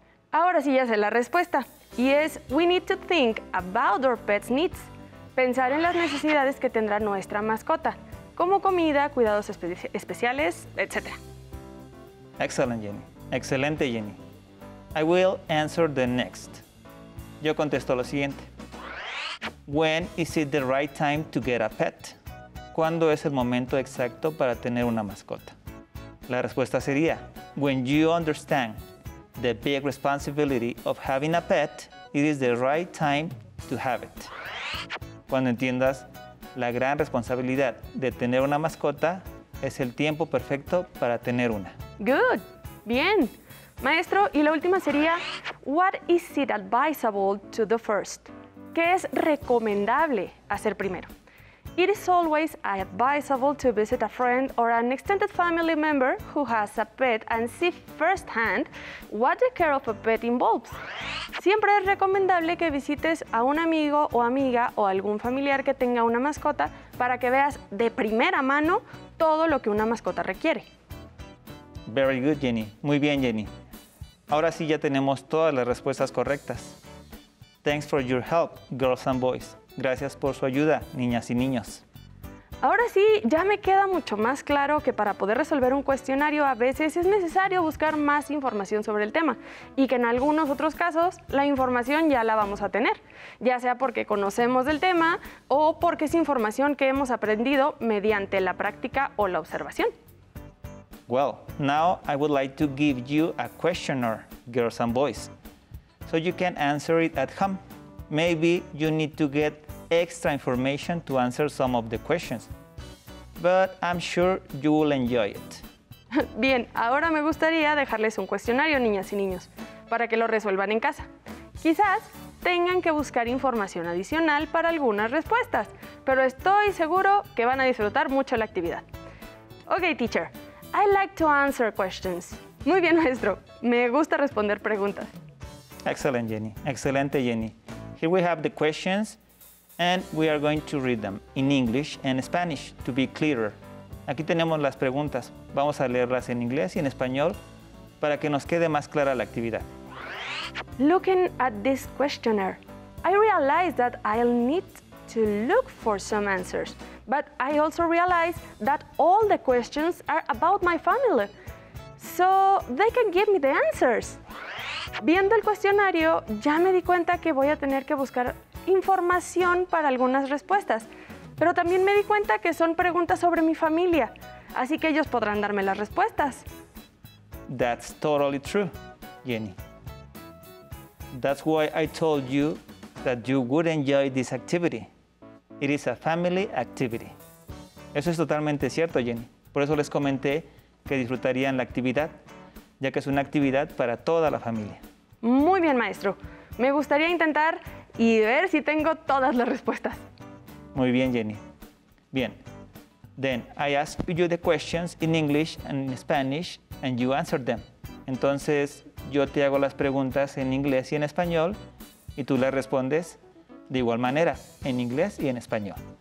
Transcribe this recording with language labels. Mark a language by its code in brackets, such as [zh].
[es] Ahora sí ya sé la respuesta. Y es, [en] we need to think about our pet's needs. [es] Pensar en las necesidades que tendrá nuestra mascota, como comida, cuidados especiales, etc. [en] Excelente, Jenny. I will answer the next. [es] Yo contesto lo siguiente. [en] When is it the right time to get a pet? [es] ¿Cuándo es el momento exacto para tener una mascota? La respuesta sería, [en] when you understand the big responsibility of having a pet, it is the right time to have it. [es] Cuando entiendas la gran responsabilidad de tener una mascota, es el tiempo perfecto para tener una. [en] Good. [es] Bien. Maestro, y la última sería, [en] what is it advisable to do first? [es] ¿Qué es recomendable hacer primero? [en] It is always advisable to visit a friend or an extended family member who has a pet and see firsthand what the care of a pet involves. [es] Siempre es recomendable que visites a un amigo o amiga o algún familiar que tenga una mascota para que veas de primera mano todo lo que una mascota requiere. [en] Very good, Jenny. [es] Muy bien, Jenny. Ahora sí ya tenemos todas las respuestas correctas. [en] Thanks for your help, girls and boys. [es] Gracias por su ayuda, niñas y niños. Ahora sí, ya me queda mucho más claro que para poder resolver un cuestionario a veces es necesario buscar más información sobre el tema y que en algunos otros casos la información ya la vamos a tener, ya sea porque conocemos del tema o porque es información que hemos aprendido mediante la práctica o la observación. [en] Well, now I would like to give you a questionnaire, girls and boys, so you can answer it at home. Maybe you need to get extra information to answer some of the questions, but I'm sure you will enjoy it. [es] Bien, ahora me gustaría dejarles un cuestionario, niñas y niños, para que lo resuelvan en casa. Quizás tengan que buscar información adicional para algunas respuestas, pero estoy seguro que van a disfrutar mucho la actividad. [en] Okay, teacher, I like to answer questions. [es] Muy bien, maestro, me gusta responder preguntas. Excelente, Jenny. [en] Here we have the questions, and we are going to read them in English and Spanish to be clearer. [es] Aquí tenemos las preguntas. Vamos a leerlas en inglés y en español para que nos quede más clara la actividad. [en] Looking at this questionnaire, I realized that I'll need to look for some answers, but I also realized that all the questions are about my family, so they can give me the answers. [es] Viendo el cuestionario, ya me di cuenta que voy a tener que buscar información para algunas respuestas, pero también me di cuenta que son preguntas sobre mi familia, así que ellos podrán darme las respuestas. [en] That's totally true, Jenny. That's why I told you that you would enjoy this activity. It is a family activity. [es] Eso es totalmente cierto, Jenny. Por eso les comenté que disfrutarían la actividad, ya que es una actividad para toda la familia. Muy bien, maestro. Me gustaría intentar y ver si tengo todas las respuestas. Muy bien, Jenny. Bien. [en] Then I ask you the questions in English and in Spanish, and you answer them. [es] Entonces, yo te hago las preguntas en inglés y en español, y tú las respondes de igual manera, en inglés y en español.